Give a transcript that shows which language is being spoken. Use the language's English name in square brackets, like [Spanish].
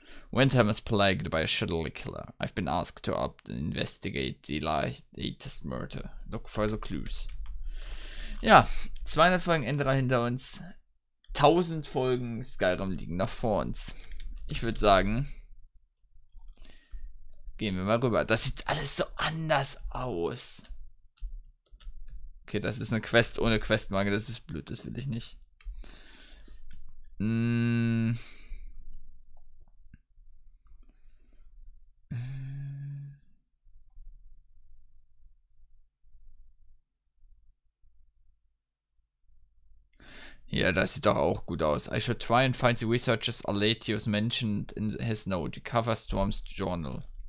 [English] Winterham is plagued by a shadowy killer. I've been asked to opt and investigate the latest murder. Look for the clues. [German] Ja, 200 Folgen Enderal hinter uns. 1000 Folgen Skyrim liegen noch vor uns. Ich würde sagen, gehen wir mal rüber. Das sieht alles so anders aus. Okay, das ist eine Quest ohne Questmarke. Das ist blöd, das will ich nicht. Ja, das sieht doch auch gut aus. [English] I should try and find the researchers Aletheus mentioned in his note, the Cover Storms Journal.